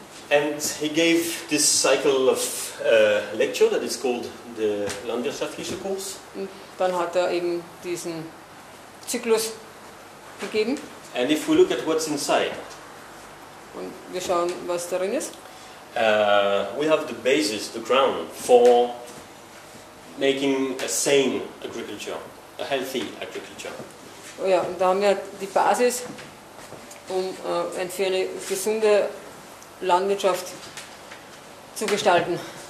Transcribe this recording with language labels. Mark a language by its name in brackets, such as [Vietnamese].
[English] And he gave this cycle of lecture that is called the landwirtschaftliche Kurs. [German] Und dann hat er eben diesen Zyklus gegeben. [English] And if we look at what's inside. [German] Und wir schauen, was darin ist. [English] we have the basis, the ground for making a sane agriculture, a healthy agriculture. [German] Oh ja, und da haben wir die Basis, um für eine gesunde Landwirtschaft zu gestalten.